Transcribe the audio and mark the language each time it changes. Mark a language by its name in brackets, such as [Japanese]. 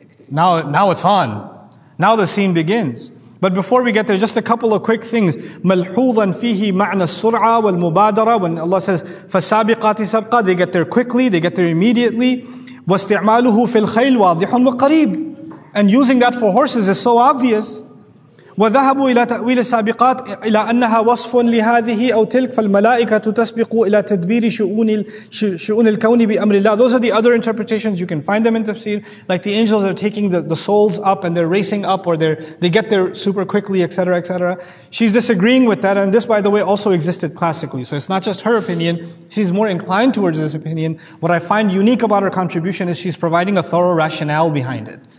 [English] Now it's on. Now the scene begins. But before we get there, just a couple of quick things. [Arabic] مَلْحُوظًا فِيهِ مَعْنَى السُّرْعَةِ وَالْمُبَادَرَةِ [English] When Allah says, [Arabic] فَالسَّابِقَاتِ سَبْقَى [English] They get there quickly, they get there immediately. [Arabic] وَاسْتِعْمَالُهُ فِي الْخَيْلِ وَاضِحٌ وَقَرِيبٌ [English] And using that for horses is so obvious. [Arabic] وَذَهَبُوا إِلَى تَأْوِيلِ السَّابِقَاتِ إِلَى أَنَّهَا وَصْفٌ لِهَذِهِ أَوْ تِلْكَ فَالْمَلَائِكَةُ تَسْبِقُ إِلَى تَدْبِيرِ شُؤُونِ الْكَوْنِ بِأَمْرِ اللَّهِ [English] Those are the other interpretations. You can find them in Tafsir. Like the angels are taking the souls up and they're racing up or they get there super quickly, etc., etc. She's disagreeing with that. And this, by the way, also existed classically. So it's not just her opinion. She's more inclined towards this opinion. What I find unique about her contribution is she's providing a thorough rationale behind it.